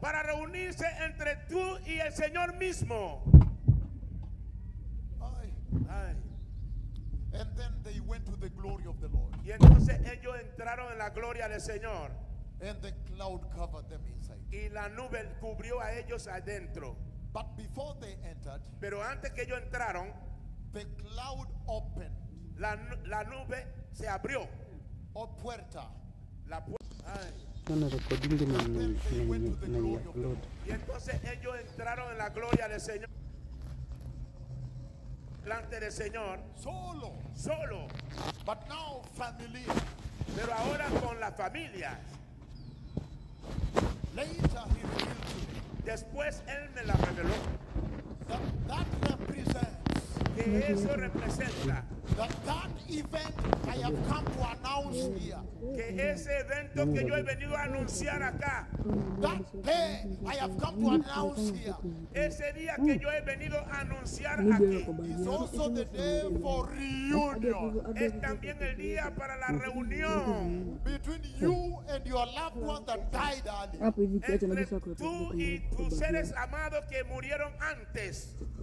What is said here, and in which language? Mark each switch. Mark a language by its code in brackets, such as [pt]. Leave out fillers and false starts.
[es] Para reunirse entre tú y el Señor mismo. Ay. [en] And then they went to the glory of the Lord. [es] Y entonces ellos entraron en la gloria del Señor. [en] And the cloud covered them inside. [es] Y la nube cubrió a ellos adentro. [en] But before they entered, [es] pero antes que ellos entraron, [en] the cloud opened. [es] La nube se abrió. O puerta. La puerta. Y entonces ellos entraron en la gloria del Señor. Delante del Señor. Solo. Solo. [en] But now family. [es] Pero ahora con las familias. [en] Later he revealed to me. [es] Después él me la reveló. [en] That represents. [es] Que eso representa. [en] That event I have come to announce here. [es] Que ese evento que yo he venido a anunciar acá. [en] That day I have come to announce here. [es] Ese día que yo he venido a anunciar aquí. [en] Is also the day for reunion. [es] Es también el día para la reunión. [en] Between you and your loved ones that died earlier. [es] Entre tú y tus seres amados que murieron antes.